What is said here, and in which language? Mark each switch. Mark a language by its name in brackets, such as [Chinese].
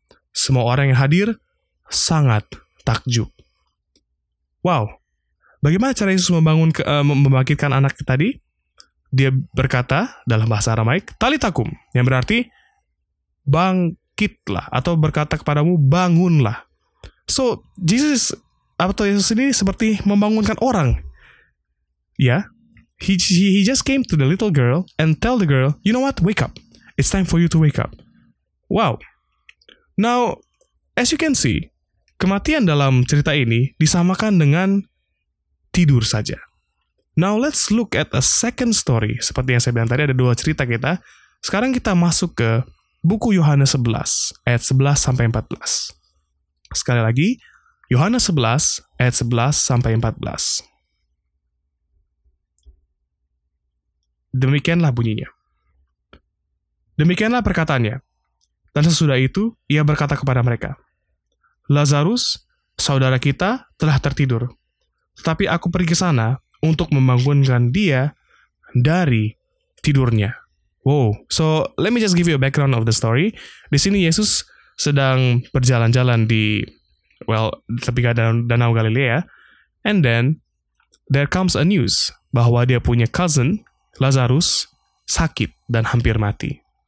[Indonesian] Semua orang yang hadir sangat takjub. Wow, bagaimana cara Yesus membangkitkan anak tadi? Dia berkata dalam bahasa Aramaik, talitakum, yang berarti bangkitlah, atau berkata kepadamu, bangunlah. So, Jesus, atau Yesus ini seperti membangunkan orang. [English] Ya, he just came to the little girl and tell the girl, you know what, wake up. It's time for you to wake up. Wow. Now, as you can see, [Indonesian] kematian dalam cerita ini disamakan dengan tidur saja. [English] Now let's look at a second story. [Indonesian] Seperti yang saya bilang tadi, ada dua cerita kita. Sekarang kita masuk ke buku Yohanes 11, ayat 11-14. Sekali lagi, Yohanes 11, ayat 11-14. Demikianlah bunyinya. Demikianlah perkataannya. Dan sesudah itu, ia berkata kepada mereka, Lazarus, saudara kita, telah tertidur. Tetapi aku pergi ke sana untuk membangunkan dia dari tidurnya. [English] Wow, so let me just give you a background of the story. [Indonesian] Di sini Yesus sedang berjalan-jalan di, well, di tepi Danau Galilea. [English] And then, there comes a news [Indonesian] bahwa dia punya cousin, Lazarus, sakit dan hampir mati.